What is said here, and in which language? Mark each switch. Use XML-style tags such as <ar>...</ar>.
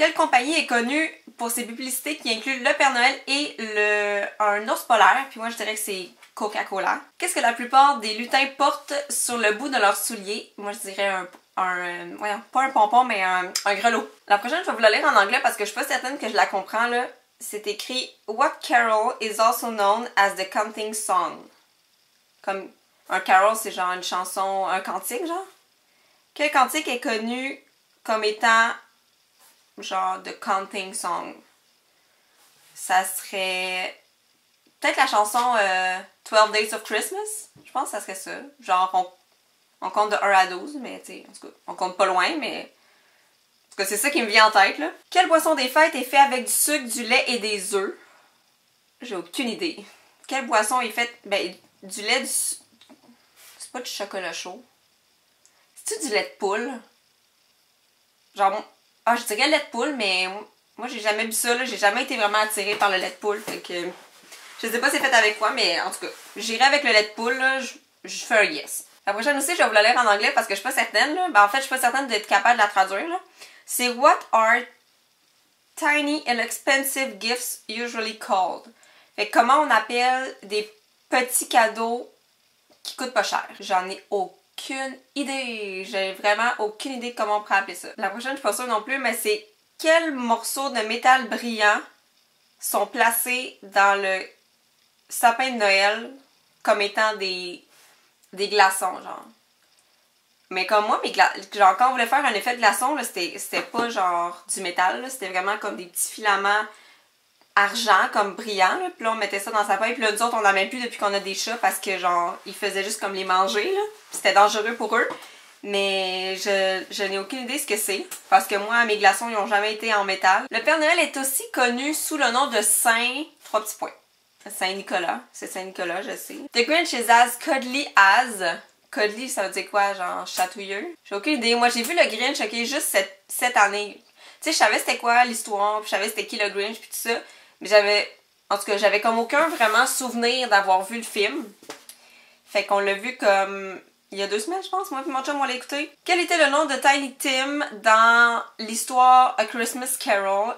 <fr>Quelle compagnie est connue pour ses publicités qui incluent le Père Noël et un ours polaire? Puis moi, je dirais que c'est Coca-Cola. Qu'est-ce que la plupart des lutins portent sur le bout de leurs souliers? Moi, je dirais ouais, pas un pompon, mais un grelot. La prochaine, je vais vous la lire en anglais parce que je suis pas certaine que je la comprends, là. C'est écrit</fr> <en>« What carol is also known as the counting song?</en> <fr>» Comme un carol, c'est genre une chanson, un cantique, genre. Quel cantique est connu comme étant genre</fr> <en>the counting song?</en> <fr>Ça serait peut-être la chanson 12 Days of Christmas, je pense que ça serait ça. Genre, on compte de 1 à 12, mais tu sais, en tout cas, on compte pas loin, mais. En tout cas, c'est ça qui me vient en tête, là. Quelle boisson des fêtes est faite avec du sucre, du lait et des œufs? J'ai aucune idée. Quelle boisson est faite. Ben, du lait, c'est pas du chocolat chaud. C'est-tu du lait de poule? Genre, ah, je dirais lait de poule, mais moi, j'ai jamais bu ça, là. J'ai jamais été vraiment attirée par le lait de poule, fait que. Je sais pas si c'est fait avec quoi, mais en tout cas, j'irai avec le lait de poule, là, je fais un yes. La prochaine aussi, je vais vous la lire en anglais parce que je suis pas certaine, là. Ben, en fait, je suis pas certaine d'être capable de la traduire, là. C'est</fr> <en>What are tiny and expensive gifts usually called?</en> <fr>Fait que comment on appelle des petits cadeaux qui coûtent pas cher? J'en ai aucune idée. J'ai vraiment aucune idée de comment on pourrait appeler ça. La prochaine, je suis pas sûre non plus, mais c'est quel morceau de métal brillant sont placés dans le sapin de Noël comme étant des glaçons, genre. Mais comme moi, genre, quand on voulait faire un effet de glaçon, là, c'était pas genre du métal, c'était vraiment comme des petits filaments argent, comme brillants, là. Puis là, on mettait ça dans le sapin, puis là, nous autres, on n'en met plus depuis qu'on a des chats parce que, genre, ils faisaient juste comme les manger, là. C'était dangereux pour eux. Mais je n'ai aucune idée ce que c'est, parce que moi, mes glaçons, ils n'ont jamais été en métal. Le Père Noël est aussi connu sous le nom de Saint... Trois petits points. Saint-Nicolas. C'est Saint-Nicolas, je sais.</fr> <en>The Grinch is as cuddly as...</en> <fr>Cuddly, ça veut dire quoi? Genre chatouilleux? J'ai aucune idée. Moi, j'ai vu le Grinch, ok, juste cette année. Tu sais, je savais c'était quoi l'histoire, puis je savais c'était qui le Grinch, puis tout ça. Mais j'avais... En tout cas, j'avais comme aucun vraiment souvenir d'avoir vu le film. Fait qu'on l'a vu comme... Il y a 2 semaines, je pense, moi et mon chum, on l'a écouté. Quel était le nom de Tiny Tim dans l'histoire A Christmas Carol?</fr>